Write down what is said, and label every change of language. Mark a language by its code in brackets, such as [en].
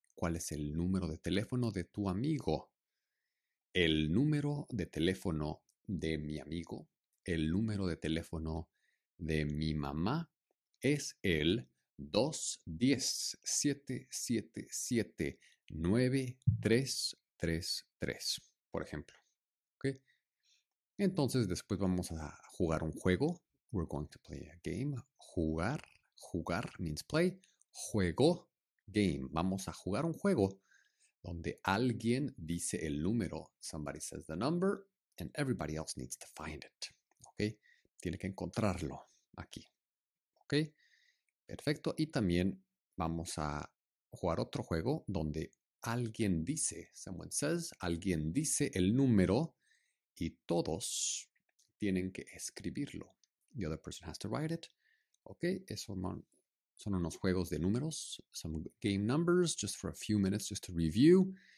[es] ¿Cuál es el número de teléfono de tu amigo? El número de teléfono de mi amigo, el número de teléfono de mi mamá es el 210-777-9333, por ejemplo. ¿Okay? Entonces, después vamos a jugar un juego. [en] We're going to play a game. Jugar, jugar means play. Juego. Game. [es] Vamos a jugar un juego donde alguien dice el número. [en] Somebody says the number and everybody else needs to find it. [es] Ok. Tiene que encontrarlo aquí. Ok. Perfecto. Y también vamos a jugar otro juego donde alguien dice, [en] someone says, [es] alguien dice el número y todos tienen que escribirlo. [en] The other person has to write it. Ok. [es] Eso son unos juegos de números, [en] some game numbers, just for a few minutes, just to review.